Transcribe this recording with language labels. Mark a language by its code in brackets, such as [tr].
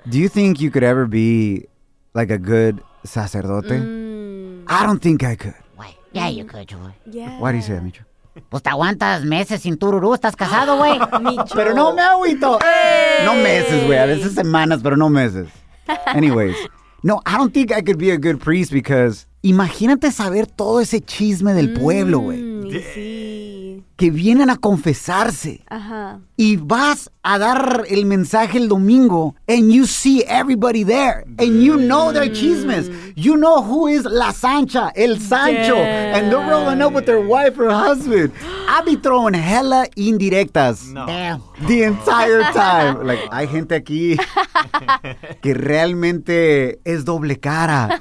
[en] Do you think you could ever be like a good sacerdote? I don't think I could. Why? Yeah, you could, Joy. Yeah. Why do you say that, Micho? [es] Pues te aguantas meses sin tururú, estás casado, güey. Pero no me agüito. Hey. No meses, güey. A veces semanas, pero no meses. [en] Anyways. No, I don't think I could be a good priest because [es] imagínate saber todo ese chisme del pueblo, güey. Sí. Que vienen a confesarse. Ajá. Y vas a dar el mensaje el domingo [en] and you see everybody there. And you know their chismes. You know who is La Sancha, El Sancho. Yeah. And they're rolling up with their wife or husband. I'll be throwing hella indirectas. No. Damn. The entire time. Like, [es] hay gente aquí que realmente es doble cara.